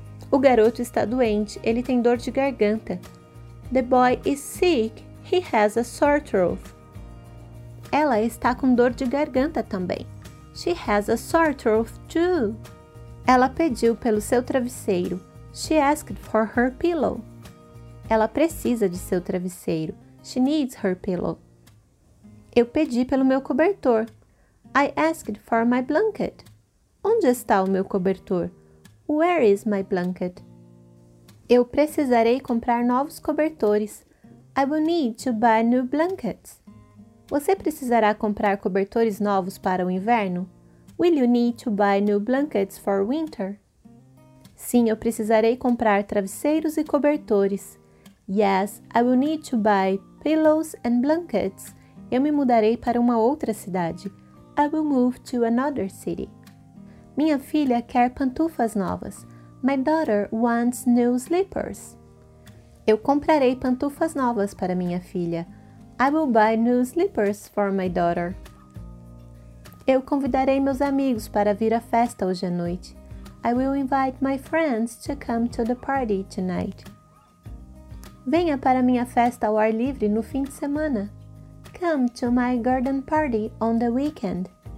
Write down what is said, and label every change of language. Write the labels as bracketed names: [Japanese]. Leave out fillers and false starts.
[Portuguese] O garoto está doente, ele tem dor de garganta. [English] The boy is sick, he has a sore throat. [Portuguese] Ela está com dor de garganta também. [English] She has a sore throat too. [Portuguese] Ela pediu pelo seu travesseiro. [English] She asked for her pillow. [Portuguese] Ela precisa de seu travesseiro. [English] She needs her pillow. [Portuguese] Eu pedi pelo meu cobertor. [English] I asked for my blanket. [Portuguese] Onde está o meu cobertor? [English] Where is my blanket? [Portuguese] Eu precisarei comprar novos cobertores. [English] I will need to buy new blankets. [Portuguese] Você precisará comprar cobertores novos para o inverno? [English] Will you need to buy new blankets for winter? [Portuguese] Sim, eu precisarei comprar travesseiros e cobertores. [English] Yes, I will need to buy pillows and blankets. [Portuguese] Eu me mudarei para uma outra cidade. [English] I will move to another city. [Portuguese] Minha filha quer pantufas novas. [English] My daughter wants new slippers. [Portuguese] Eu comprarei pantufas novas para minha filha. [English] I will buy new slippers for my daughter. [Portuguese] Eu convidarei meus amigos para vir à festa hoje à noite. [English] I will invite my friends to come to the party tonight. [Portuguese] Venha para minha festa ao ar livre no fim de semana. [English] Come to my garden party on the weekend.